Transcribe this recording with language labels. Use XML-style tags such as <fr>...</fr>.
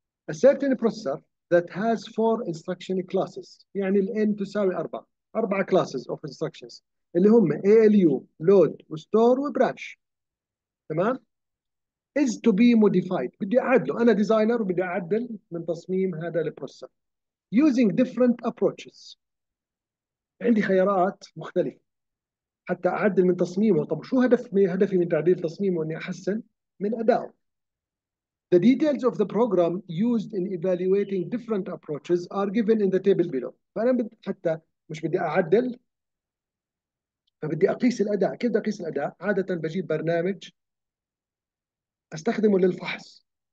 <en>A certain processor that has four instruction classes،</en> <ar>يعني ال n تساوي اربعه، اربعه</ar> <en>classes of instructions اللي هم ALU، load وstore وbranch.</en> <ar>تمام؟</ar> <en>is to be modified،</en> <ar>بدي اعدله، انا ديزاينر وبدي اعدل من تصميم هذا البروسيسور.</ar> <en>Using different approaches.</en> <ar>عندي خيارات مختلفة حتى اعدل من تصميمه، طب شو هدفي من تعديل تصميمه اني احسن من ادائه؟</ar> <en>The details of the program used in evaluating different approaches are given in the table below.</en> <ar>فانا حتى مش بدي اعدل فبدي اقيس الاداء، كيف بدي اقيس الاداء؟ عادة بجيب برنامج استخدمه للفحص.</ar>